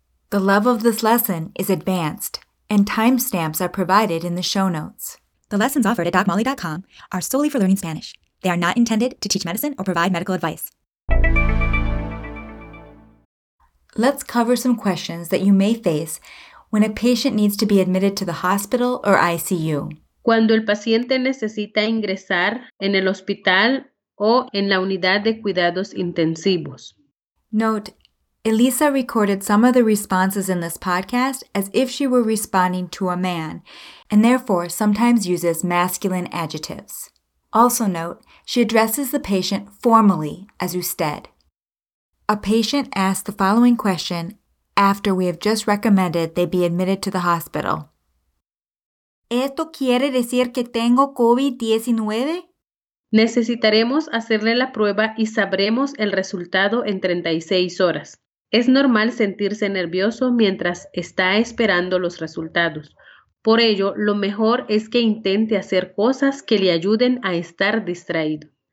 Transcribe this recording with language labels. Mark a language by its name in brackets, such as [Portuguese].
[English] The level of this lesson is advanced, and timestamps are provided in the show notes. The lessons offered at DocMolly.com are solely for learning Spanish. They are not intended to teach medicine or provide medical advice. Let's cover some questions that you may face when a patient needs to be admitted to the hospital or ICU. [Spanish] Cuando el paciente necesita ingresar en el hospital o en la unidad de cuidados intensivos. [English] Note, Elisa recorded some of the responses in this podcast as if she were responding to a man, and therefore sometimes uses masculine adjectives. Also note, she addresses the patient formally as usted. A patient asked the following question after we have just recommended they be admitted to the hospital. [Spanish] ¿Esto quiere decir que tengo COVID-19? Necesitaremos hacerle la prueba y sabremos el resultado en 36 horas. Es normal sentirse nervioso mientras está esperando los resultados. Por ello, lo mejor es que intente hacer cosas que le ayuden a estar distraído.